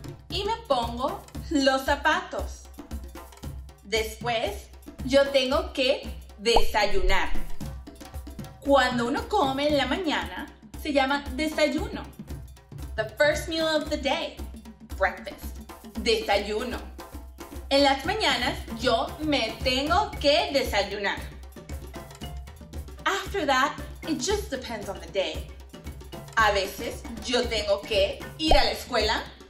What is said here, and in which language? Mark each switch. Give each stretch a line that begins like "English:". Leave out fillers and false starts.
Spanish: Y me pongo los zapatos. Después, yo tengo que desayunar. Cuando uno come en la mañana, se llama desayuno.
English: The first meal of the day. Breakfast. Desayuno.
Spanish: En las mañanas, yo me tengo que desayunar.
English: After that, it just depends on the day.
Spanish: A veces, yo tengo que ir a la escuela.